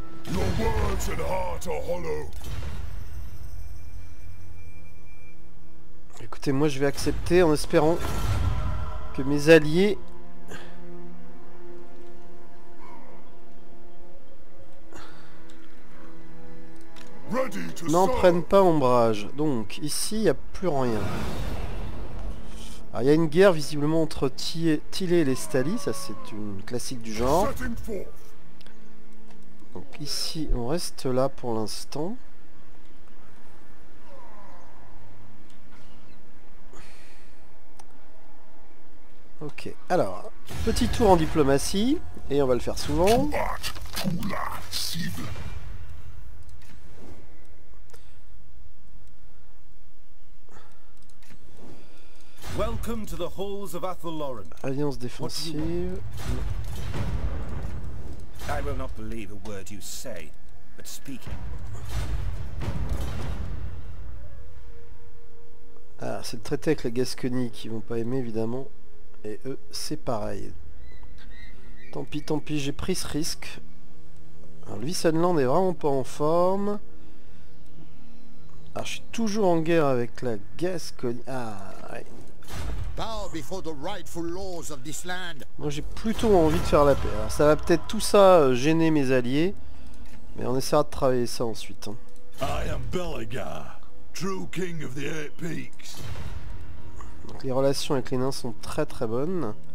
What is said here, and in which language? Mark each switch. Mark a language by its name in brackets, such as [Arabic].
[English] Your words and heart are hollow. [French] Écoutez, moi je vais accepter en espérant que mes alliés... n'en prennent pas ombrage. Donc, ici, il n'y a plus rien. Alors, il y a une guerre visiblement entre Tilly et les Stali, ça c'est une classique du genre. Donc ici, on reste là pour l'instant. Ok, alors, petit tour en diplomatie, et on va le faire souvent. [English] Welcome to the halls of Athelloran. [French] Alliance défensive. [English] I will not believe a word you say, but speaking. [French] Ah, c'est le traité avec la Gascogne qui vont pas aimer évidemment. Et eux, c'est pareil. Tant pis, j'ai pris ce risque. Alors lui, Sunland est vraiment pas en forme. Alors je suis toujours en guerre avec la Gascogne. Ah ouais. [English] Bow before the rightful laws of this land. [French] Moi j'ai plutôt envie de faire la paix. Alors, ça va peut-être tout ça gêner mes alliés, mais on essaiera de travailler ça ensuite. Hein. [English] I am Belagar, true king of the Eight Peaks. [French] Donc, les relations avec les nains sont très très bonnes.